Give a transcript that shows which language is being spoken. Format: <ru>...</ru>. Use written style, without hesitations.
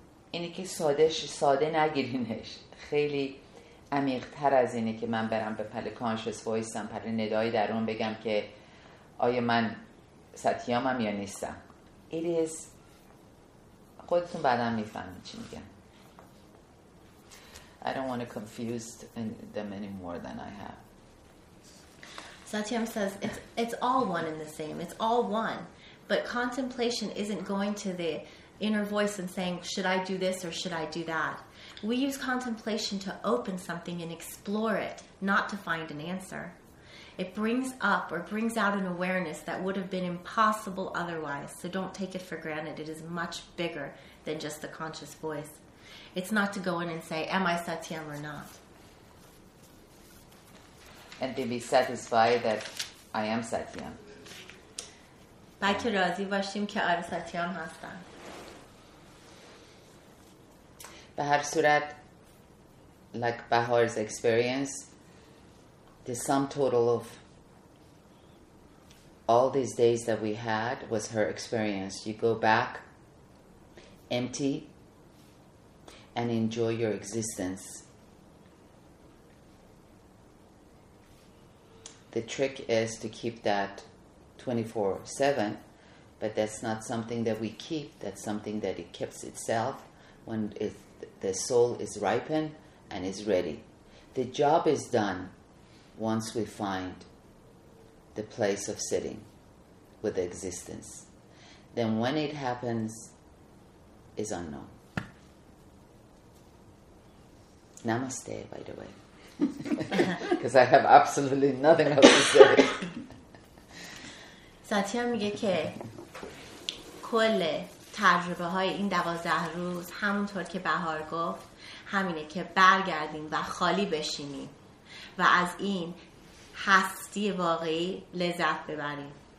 <fa>اینه که ساده نگیرینش. خیلی عمیق‌تر از اینه که من برم به پل کانشس وایستم، پل ندای درون بگم که آیا من ستیامم یا نیستم.</fa> <en>It is</en> <fa>خودتون بعدم میفهمید چی میگم.</fa> <en>I don't want to confuse them any more than I have. Satyam says it's all one and the same. It's all one. But contemplation isn't going to the inner voice and saying, should I do this or should I do that? We use contemplation to open something and explore it, not to find an answer. It brings up or brings out an awareness that would have been impossible otherwise. So don't take it for granted. It is much bigger than just the conscious voice. It's not to go in and say, am I Satyam or not? And to be satisfied that I am Satyam.</en> <fa>بلکه راضی باشیم که آره ستیام هستن. به هر صورت</fa> <en>like Bahar's experience, the sum total of all these days that we had was her experience. You go back empty and enjoy your existence. The trick is to keep that 24/7. But that's not something that we keep. That's something that it keeps itself when the soul is ripened and is ready. The job is done once we find the place of sitting with the existence. Then when it happens, is unknown. Namaste, by the way. Because I have absolutely nothing else to say.</en> <fa>ساتیا میگه که کل تجربه های این 12 روز همونطور که بهار گفت همینه که برگردیم و خالی بشینیم و از این هستی واقعی لذت ببریم.</fa>